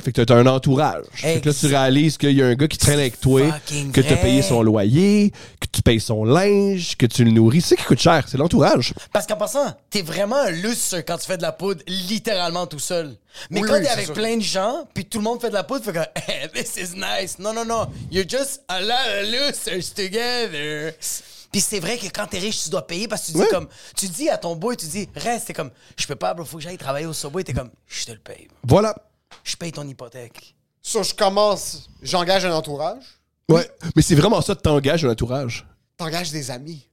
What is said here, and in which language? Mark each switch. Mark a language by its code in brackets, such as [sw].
[fr] Fait que t'as un entourage. Fait que là, tu réalises qu'il y a un gars qui traîne avec toi, que t'as payé son loyer, que tu payes son linge, que tu le nourris. C'est ça qui coûte cher, c'est l'entourage. Parce qu'en passant, t'es vraiment un lustre quand tu fais de la poudre littéralement tout seul. Mais oui, quand t'es avec plein de gens, puis tout le monde fait de la poudre, fait que hey, [en] this is nice. [fr] Non, non, non. [en] You're just a lot of losers together. [fr] Puis c'est vrai que quand t'es riche, tu dois payer parce que tu dis comme. Tu dis à ton boy, tu dis, reste, t'es comme, je peux pas, bro, faut que j'aille travailler au Subway. T'es comme, je te le paye. Voilà. Je paye ton hypothèque. So, je commence, j'engage un entourage. Ouais, mais c'est vraiment ça, t'engages un entourage. T'engages des amis.